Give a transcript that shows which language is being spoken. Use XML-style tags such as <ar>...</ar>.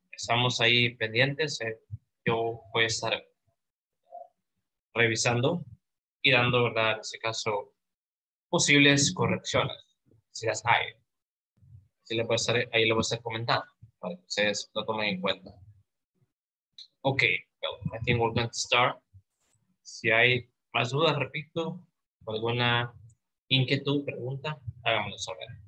<es>Estamos ahí pendientes. Yo voy a estar revisando y dando, ¿verdad? En ese caso, posibles correcciones, si las hay. Si le voy a estar, ahí lo voy a estar comentando para que ustedes lo tomen en cuenta.</es> <en>Ok, well, I think we're going to start.</en> <es>Si hay más dudas, repito, alguna inquietud, pregunta, háganmelo saber.</es>